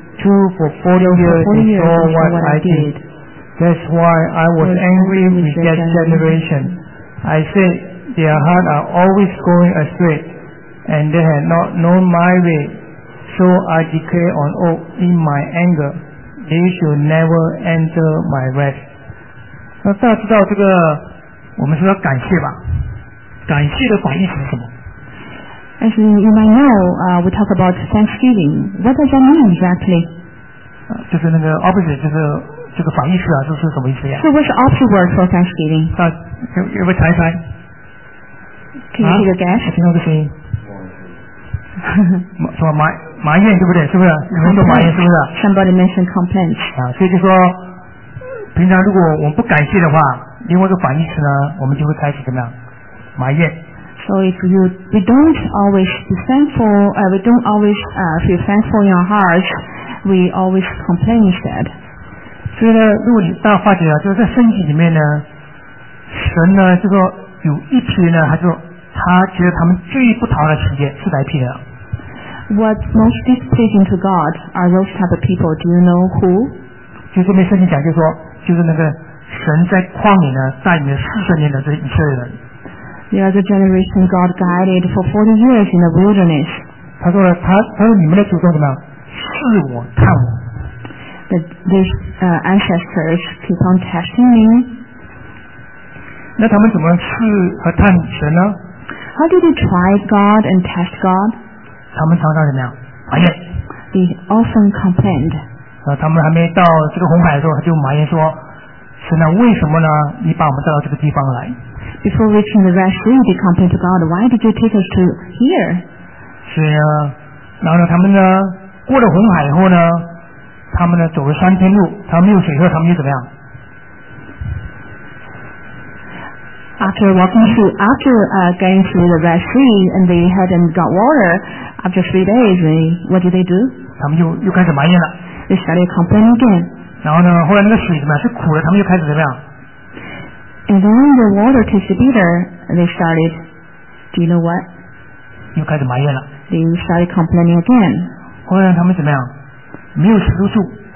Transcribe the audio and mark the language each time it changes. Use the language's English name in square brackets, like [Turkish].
[English] For 40 years, saw what I did. That's why I was angry with that generation. I said, their hearts are always going astray, and they had not known my way. So I declare on oath in my anger, they should never enter my rest. [Chinese] 那大家知道这个，我们说要感谢吧？感谢的反义词是什么？ [English] As you might know, we talk about Thanksgiving. What does that mean exactly? [Chinese] 就是那个 opposite, 就是这个反义词啊，这是什么意思呀？ [English] So what's the opposite word for Thanksgiving? [Chinese] 啊，要不要猜一猜？ [English] Can you take a guess? [Chinese] 我听到个声音。什么 my 埋怨，对不对？是不是？有很多埋怨，是不是 [English] ？Somebody mentioned complaints。 [Chinese] 啊，所以就说，平常如果我们不感谢的话，另外一个反义词呢，我们就会开始怎么样？埋怨。 [English] So if we don't always be thankful, we don't always feel thankful in our hearts, we always complain instead. [Chinese] 所以呢，如果你大话题啊，就是在圣经里面呢，神呢就说有一批人呢，他就他觉得他们最不讨的时间是哪一批人？ [English] What most displeasing to God are those type of people? Do you know who? [Chinese] 就这边圣经讲，就说就是那个神在旷野呢带领了40年的这以色列人。 [English] They are the generation God guided for 40 years in the wilderness. [Chinese] 他说了，他说你们的祖宗怎么试我看我。 [English] These ancestors keep on testing me. [Chinese] 那他们怎么试和探神呢？ [English] How do they try God and test God? [Chinese] 他们常常怎么样？埋怨。 [English] They often complained. [Chinese] 他们还没到这个红海的时候，他就埋怨说：“神啊，为什么呢？你把我们带到这个地方来？” [English] Before reaching the Red Sea, they complained to God, "Why did you take us to here?" [Chinese] 所以呢，然后呢，他们呢，过了红海以后呢，他们呢，走了三天路，他们没有水喝，他们又怎么样？ [English] After going through the Red Sea and they hadn't got water, after 3 days, what did they do? [Chinese] 他们又开始埋怨了。 [English] They started complaining again. [Chinese] 然后呢，后来那个水怎么样？是苦的，他们又开始怎么样？ [English] And then the water tasted bitter. They started, do you know what? [Chinese] 又开始埋怨了。 [English] They started complaining again. [Chinese] 后来他们怎么样？没有食物住。